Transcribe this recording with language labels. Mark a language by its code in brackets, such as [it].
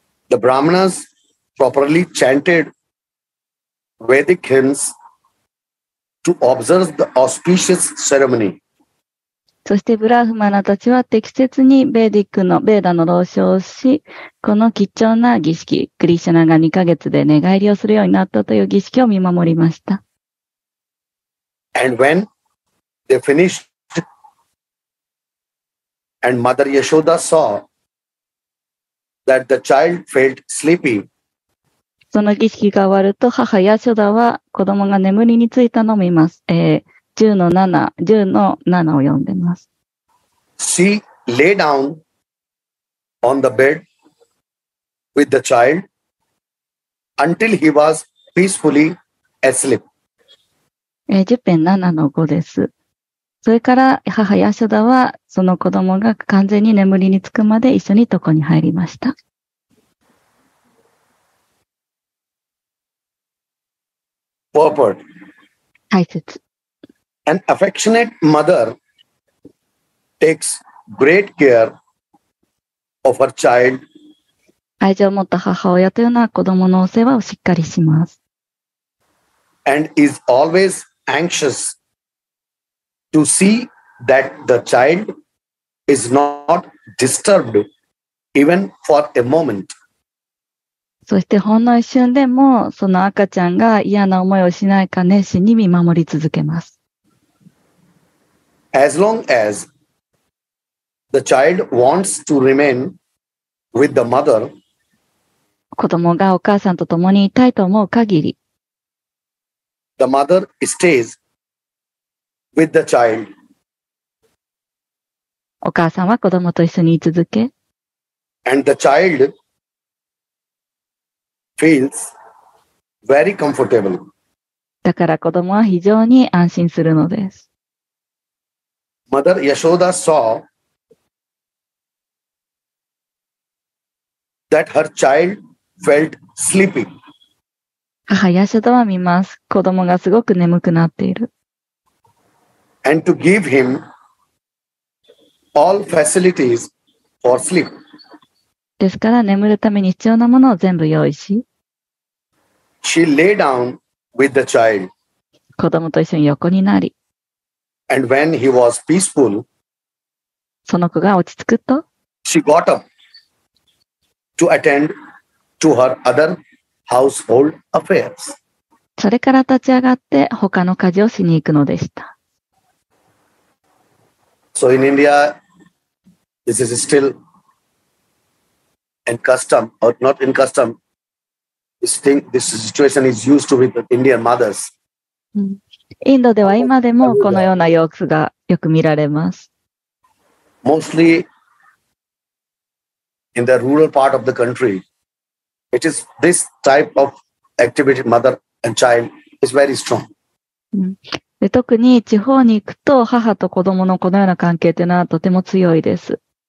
[en] The Brahmanas properly chanted Vedic hymns to observe the auspicious ceremony. [ja] そしてブラフマナたちは適切にベーディックのベーダの労唱をし、この貴重な儀式、クリシュナが2ヶ月で寝返りをするようになったという儀式を見守りました。 [en] And when they finished, and Mother Yashoda saw that the child felt sleepy. [ja] その儀式が終わると母ヤショダは子供が眠りについたのを見ます。 10の7を読んでます。 [en] She lay down on the bed with the child until he was peacefully asleep. [ja] 10編7の5です。それから母ヤショダはその子供が完全に眠りにつくまで一緒に床に入りました。 [en] Purport. [ja] 大切。 [en] An affectionate mother takes great care of her child. [ja] 愛情を持った母親というのは子供のお世話をしっかりします。 [en] And is always anxious to see that the child is not disturbed even for a moment. [ja] そしてほんの一瞬でもその赤ちゃんが嫌な思いをしないか熱心に見守り続けます。 [en] As long as the child wants to remain with the mother, [ja] 子供がお母さんと共にいたいと思う限り、 [en] the mother stays with the child. [ja] お母さんは子供と一緒に居続け、 [en] and the childfeels very comfortable. [ja] だから子供は非常に安心するのです。 [en] Mother Yashoda saw that her child felt sleepy. [ja] 母ヤショダは見ます。子供がすごく眠くなっている。 [en] And to give him all facilities for sleep. [ja] ですから眠るために必要なものを全部用意し、 [en] She lay down with the child. [ja] 子供と一緒に横になり。 [en] And when he was peaceful, [ja] その子が落ち着くと、 [en] she got up to attend to her other household affairs. [ja] それから立ち上がって他の家事をしに行くのでした。 [en] So in India, this is still in custom, or not in custom,This situation is used to with Indian mothers. [ja] インドでは今でもこのような様子がよく見られます。 [en] Mostly in the rural part of the country, it is this type of activity, mother and child, is very strong. [ja] 特に地方に行くと母と子供のこのような関係というのはとても強いです。